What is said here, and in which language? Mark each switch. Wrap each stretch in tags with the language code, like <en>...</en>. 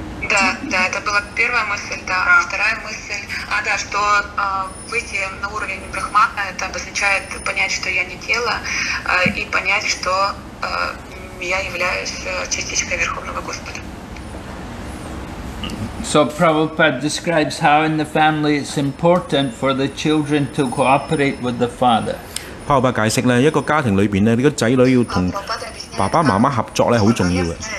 <ru>Да, да, это была первая мысль, да. Вторая мысль, что выйти на уровень брахмана, это обозначает понять, что я не тело, и понять, что я являюсь частичкой Верховного Господа.</ru> <en>So Prabhupada describes how in the family it's important for the children to cooperate with the father.</en> <yue>帕巴解释呢，一个家庭里面呢，这个仔女要同爸爸妈妈合作呢，很重要的。</yue>